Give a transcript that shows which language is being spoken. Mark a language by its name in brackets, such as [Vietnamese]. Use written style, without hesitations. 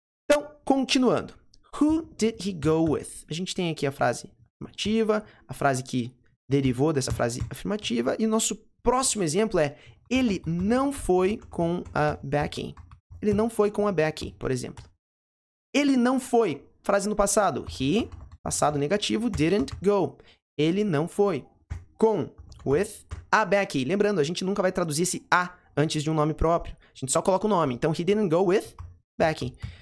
[Portuguese] Então, continuando. [English] Who did he go with? [Portuguese] A gente tem aqui a frase afirmativa, a frase que derivou dessa frase afirmativa. E o nosso próximo exemplo é, ele não foi com a Becky. Ele não foi com a Becky, por exemplo. Ele não foi. Frase no passado. [English] He, [Portuguese] passado negativo, [English] didn't go. [Portuguese] Ele não foi com, with, a Becky. Lembrando, a gente nunca vai traduzir esse a antes de um nome próprio. A gente só coloca o nome. [English] Então, he didn't go with Becky.